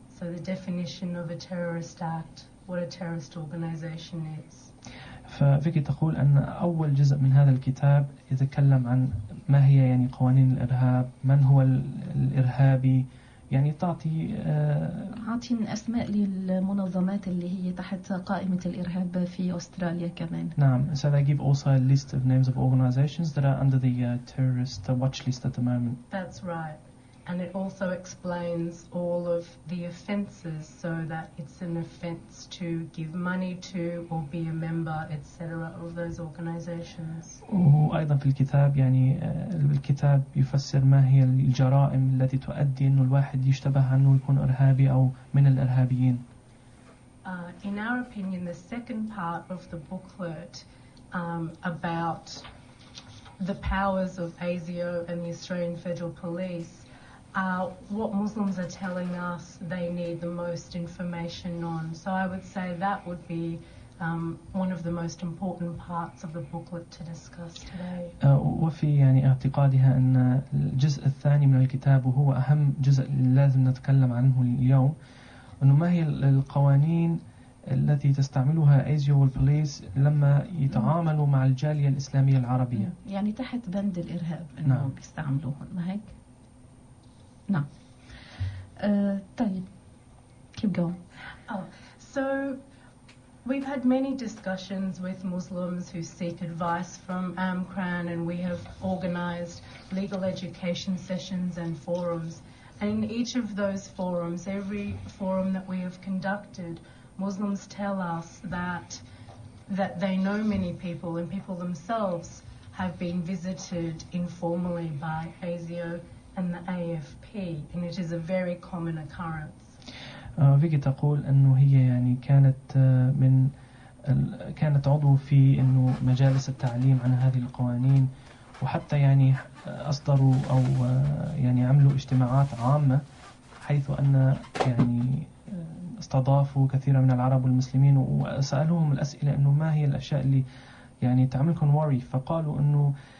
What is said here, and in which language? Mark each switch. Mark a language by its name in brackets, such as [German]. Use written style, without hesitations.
[English] So the definition of a terrorist act, what a terrorist organization is. [Arabic] ففيكي تقول أن أول جزء من هذا الكتاب يتكلم عن ما هي يعني قوانين الإرهاب من هو الإرهابي يعني تعطي عاطين أسماء للمنظمات اللي هي تحت قائمة الإرهاب في أستراليا كمان [English] نعم so they give also a list of names of organizations that are under the terrorist watch list at the moment that's right and it also explains all of the offences so that it's an offence to give money to or be a member etc of those organisations [Arabic] وايضا في الكتاب يعني الكتاب يفسر ما هي الجرائم التي تؤدي انه الواحد يشتبه انه يكون ارهابي او من الارهابيين [English] in our opinion the second part of the booklet about the powers of ASIO and the Australian Federal Police what Muslims are telling us they need the most information on. So I would say that would be one of the most important parts of the booklet to discuss today. [Arabic] وفي يعني اعتقادها أن الجزء الثاني من الكتاب وهو أهم جزء لازم نتكلم عنه اليوم أنه ما هي القوانين التي تستعملها ASIO والبوليس لما يتعاملوا مع الجالية الإسلامية العربية يعني تحت بند الإرهاب أنه نعم. بيستعملوهم ما هيك؟ No. [English] طيب. Keep going. Oh, so we've had many discussions with Muslims who seek advice from AMCRAN and we have organized legal education sessions and forums. And in each of those forums, every forum that we have conducted, Muslims tell us that they know many people and people themselves have been visited informally by ASIO and the AFP, and it is a very common occurrence. [Arabic] فيكي تقول إنه هي يعني كانت من كانت عضو في إنه مجالس التعليم عن هذه القوانين وحتى يعني أصدروا أو يعني عملوا اجتماعات عامة حيث أن يعني استضافوا كثيرا من العرب والمسلمين وسألوهم الأسئلة إنه ما هي الأشياء اللي يعني تعملكم worry فقالوا إنه